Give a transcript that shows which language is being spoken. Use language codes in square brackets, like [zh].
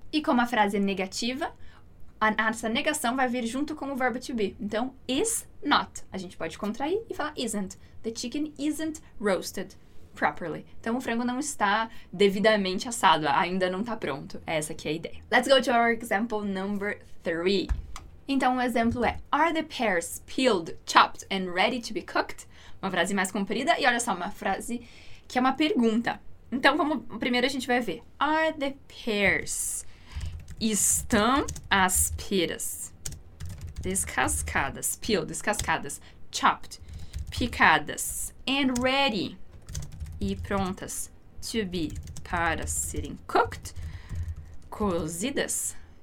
[pt] E como a frase é negativa, essa negação vai vir junto com o verbo to be. Então, is not. A gente pode contrair e falar isn't. [en] The chicken isn't roasted properly. [pt] Então, o frango não está devidamente assado, ainda não está pronto. Essa aqui é a ideia. [en] Let's go to our example number 3. [pt] Então, o exemplo é, [en] are the pears peeled, chopped and ready to be cooked? [pt] Uma frase mais comprida e olha só, uma frase que é uma pergunta. Então, primeiro a gente vai ver. [en] Are the pears, [pt] estão as peras descascadas, peeled, descascadas, chopped, picadas and ready, e prontas, to be, para serem cooked, cozidas.